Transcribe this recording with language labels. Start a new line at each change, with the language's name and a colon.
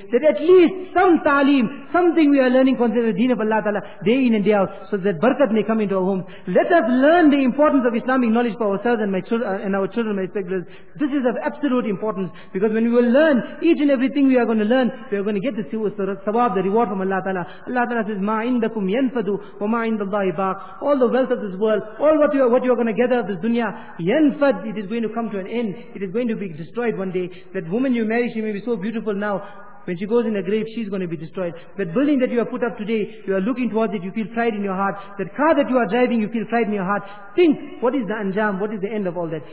English: That at least some ta'lim, something we are learning concerning the deen of Allah Ta'ala day in and day out, so that barakat may come into our homes. Let us learn the importance of Islamic knowledge for ourselves and our children, my respected brothers. This is of absolute importance, because when we will learn each and everything we are going to learn, we are going to get the sawab, the reward from Allah Ta'ala. Allah Ta'ala says,
Arabic: مَا عِنْدَكُمْ يَنْفَدُ وَمَا عِنْدَ اللَّهِ بَاقٍ.
English: All the wealth of this world, all what you are going to gather of this dunya, yanfad, it is going to come to an end. It is going to be destroyed one day. That woman you marry, she may be so beautiful now. When she goes in a grave, she's going to be destroyed. That building that you have put up today, you are looking towards it, you feel pride in your heart. That car that you are driving, you feel pride in your heart. Think, what is the anjam, what is the end of all that?